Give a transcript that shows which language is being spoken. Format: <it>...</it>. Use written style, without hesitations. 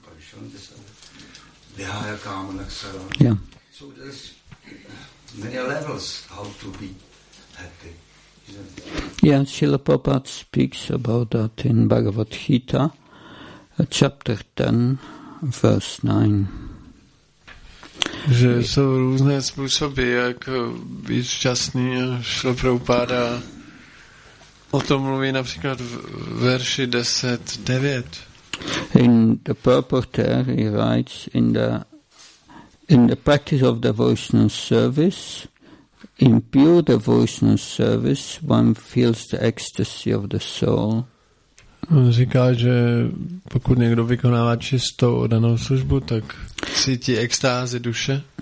<sa>parishon desa vihaya kama naksara."</sa> <en>Yeah. So there's many levels how to be happy. Yeah, Srila Prabhupada speaks about that in Bhagavad Gita, chapter 10, verse 9.</en> <cs>Že jsou různé způsoby, jak být šťastný, a Srila Prabhupada o tom mluví například v verši 10.9.</cs> <en>In the purport there he writes, in the practice of devotional service, in pure devotional service, one feels the ecstasy of the soul.</en> <cs>On říká, že pokud někdo vykonává čistou danou službu, tak cítí extázi duše.</cs>